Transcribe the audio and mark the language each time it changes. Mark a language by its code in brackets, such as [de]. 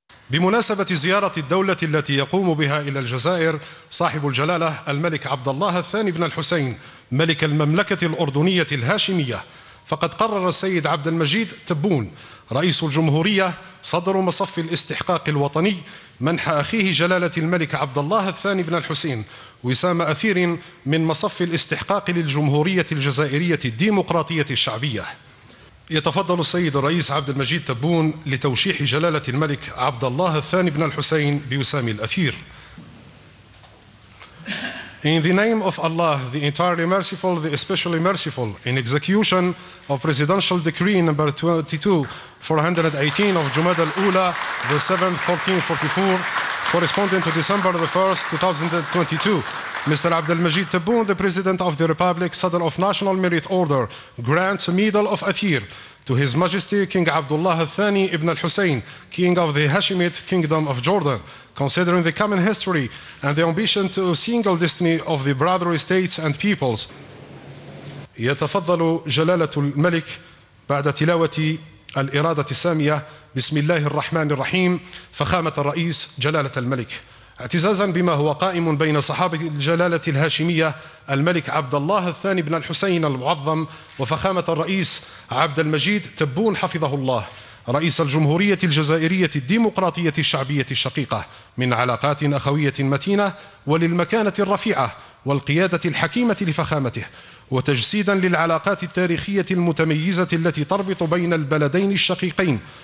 [ar] بمناسبة زيارة الدولة التي يقوم بها إلى الجزائر صاحب الجلالة الملك عبد الله الثاني بن الحسين ملك المملكة الأردنية الهاشمية، فقد قرر السيد عبد المجيد تبون رئيس الجمهورية صدر مصف الاستحقاق الوطني منح أخيه جلالة الملك عبد الله الثاني بن الحسين وسام أثير من مصف الاستحقاق للجمهورية الجزائرية الديمقراطية الشعبية. يتفضل السيد الرئيس عبد المجيد تبون لتوشيح جلالة الملك عبد الله الثاني بن الحسين بوسام الأثير. [en] In the name of Allah, the entirely merciful, the especially merciful, in execution of Presidential Decree number 22-418 of Jumada al-Ula, the 7th, 1444, corresponding to December the 1st, 2022, Mr. Abdelmajid Tebboune, the President of the Republic, Sadr of National Merit Order, grants Medal of Athir to His Majesty King Abdullah al-Thani ibn al-Hussein, King of the Hashemite Kingdom of Jordan. Considering the common history and the ambition to a single destiny of the brother states and peoples. [ar] يتفضل جلالة الملك بعد تلاوة الإرادة السامية بسم الله الرحمن الرحيم فخامة الرئيس جلالة الملك اعتزازا بما هو قائم بين صحابة الجلالة الهاشمية الملك عبد الله الثاني بن الحسين المعظم وفخامة الرئيس عبد المجيد تبون حفظه الله رئيس الجمهورية الجزائرية الديمقراطية الشعبية الشقيقة من علاقات أخوية متينة وللمكانة الرفيعة والقيادة الحكيمة لفخامته وتجسيدا للعلاقات التاريخية المتميزة التي تربط بين البلدين الشقيقين.